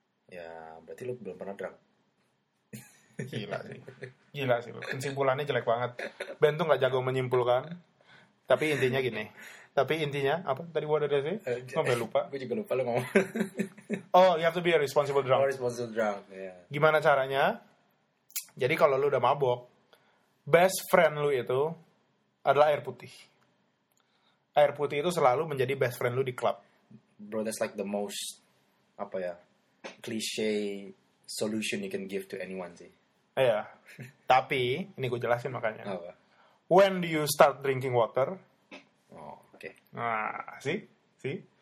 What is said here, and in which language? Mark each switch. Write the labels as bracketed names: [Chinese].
[Indonesian] Ya, berarti lu belum pernah drunk. Gila sih. Gila sih. Kesimpulannya jelek banget. Ben tuh gak jago menyimpulkan. Tapi intinya gini. Tapi intinya, apa? Tadi gue ada sih? Gue lupa. Gue juga lupa lu ngomong. [English] Oh, you have to be a responsible drunk. Oh, responsible drunk, ya. Yeah. [Indonesian] Gimana caranya? Jadi kalau lu udah mabok, best friend lu itu adalah air putih. Air putih itu selalu menjadi best friend lu di klub. [English] Bro, that's like the most, apa ya, cliche solution you can give to anyone sih. [Indonesian] Iya, yeah. Tapi ini gue jelasin makanya. Apa? [English] When do you start drinking water? [Indonesian] Oh, oke. [English] Okay. Nah, see? Okay.